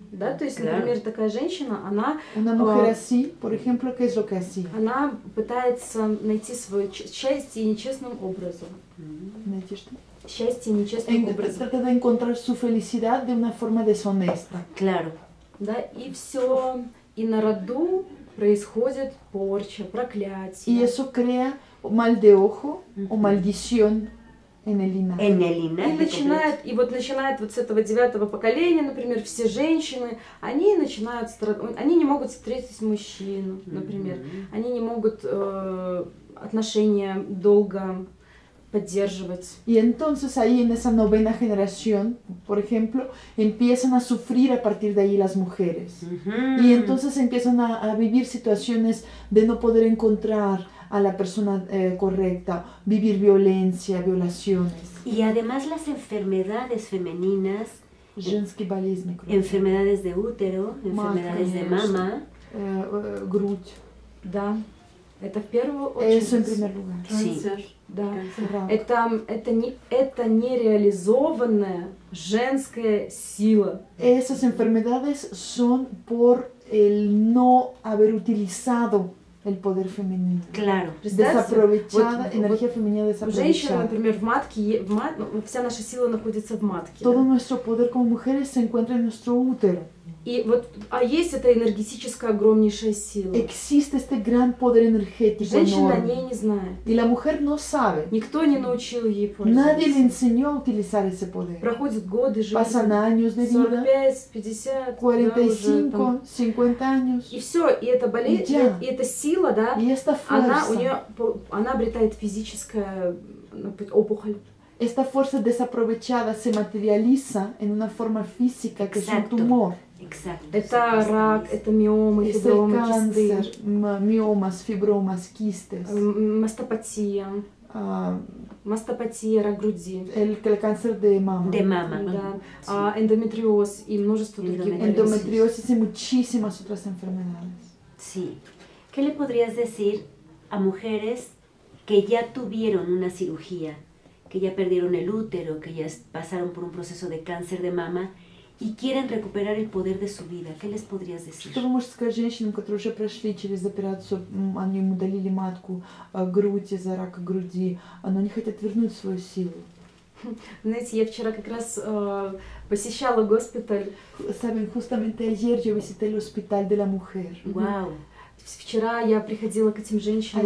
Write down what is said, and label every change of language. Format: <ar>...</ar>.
<ru>Да, то есть, например, такая женщина, она...</ru> <es>Una mujer así, por ejemplo, ¿qué es lo que así?</es> <ru>Она пытается найти свое счастье нечестным образом. Найти что? Счастье нечестным образом.</ru> <es>Trata de encontrar su felicidad de una forma deshonesta. Claro.</es> <ru>Да, и все, и на роду происходит порча, проклятие.</ru> <es>Y eso crea mal de ojo o maldición.</es> <ru>И вот начинает вот с этого девятого поколения, например, все женщины, они начинают страдать, они не могут встретить мужчину, например, они не могут отношения долго поддерживать.</ru> <es>И entonces ahí en esa novena generación, por ejemplo, empiezan a sufrir a partir de ahí las mujeres. Y entonces empiezan a vivir situaciones de no poder encontrar a la persona correcta, vivir violencia, violaciones. Y además las enfermedades femeninas, balizmi, enfermedades de útero, enfermedades de mama,</es> <ru>грудь. Да. Это в первую очередь.</ru> <es>Eso en primer lugar. Sí. Да.</es> <ru>Это нереализованная женская сила.</ru> <es>Esas enfermedades son por el no haber utilizado el poder femenino. Claro. Desaprovechada, вот, energía вот, femenina desaprovechada.</es> <ru>Женщина, например, в матке, вся наша сила находится в матке.</ru> <es>Todo nuestro poder como mujeres se encuentra en nuestro útero.</es> <ru>И вот, а есть эта энергетическая огромнейшая сила.</ru> <es>Existe este gran poder energético.</es> <ru>Женщина о ней не знает.</ru> <es>Y la mujer no sabe.</es> <ru>Никто не научил ей пользоваться.</ru> <es>Nadie le enseñó a utilizar ese poder.</es> <ru>Проходят годы жизни.</ru> <es>Pasan años de vida. 45, 50 años.</es> <ru>И все, и эта болезнь, и эта сила, да? И эта</ru> <es>fuerza.</es> <ru>Она обретает физическая опухоль.</ru> <es>Esta fuerza desaprovechada se materializa en una forma física que Exacto. es un tumor.</es> <ru>Это рак, это миомы, фибромы, кисты. Это</ru> <es>канцер, миомас, фибромас, кистес.</es> <ru>Мастопатия. Мастопатия, рак груди.</ru> <es>El cáncer de mama. De mama.</es> <ru>Да. Эндометриоз и множество других.</ru> <es>Эндометриоз и muchísimas otras enfermedades. Sí. ¿Qué le podrías decir a mujeres que ya tuvieron una cirugía, que ya perdieron el útero, que ya pasaron por un proceso de cáncer de mama, y quieren recuperar el poder de su vida? ¿Qué les podrías decir?</es> <ru>Что вы можете сказать женщинам, которые уже прошли через операцию, они им удалили матку, грудь из-за рака груди, но они хотят вернуть свою силу? Знаете, я вчера как раз посещала госпиталь.</ru> <es>Saben, justamente ayer yo visité el hospital de la mujer. Wow.</es> <ru>Вчера я приходила к этим женщинам.</ru>